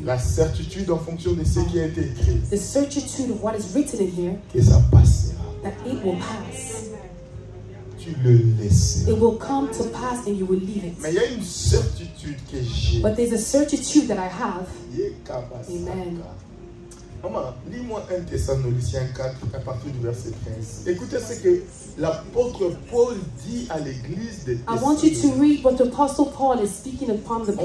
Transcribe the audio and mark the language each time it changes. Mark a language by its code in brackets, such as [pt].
[fr] La certitude en fonction de ce qui a été écrit. [en] The certitude of what is written in here. [fr] Que ça passera. [en] That it will pass. [fr] Tu le laisseras. [en] It will come to pass and you will leave it. [fr] Mais il y a une certitude que j'ai. [en] But there's a certitude that I have. Amen. [fr] Maman, lis-moi 1 Thessaloniciens 4 à partir du verset 15. Écoutez ce que l'apôtre Paul dit à l'église de Thessalonique. [en] I want you to read what the apostle Paul is speaking upon the people.